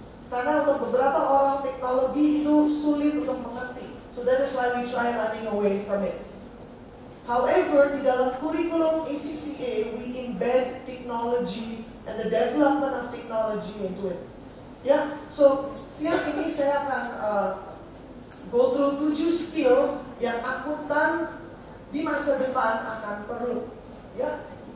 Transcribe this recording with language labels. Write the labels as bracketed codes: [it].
[id] Karena untuk beberapa orang teknologi itu sulit untuk mengerti. [en] So that is why we try running away from it. However, [id] di dalam kurikulum ACCA, [en] we embed technology and the development of technology into it. Ya, yeah. [id] So siang ini saya akan go through 7 skill yang akuntan di masa depan akan perlu, ya.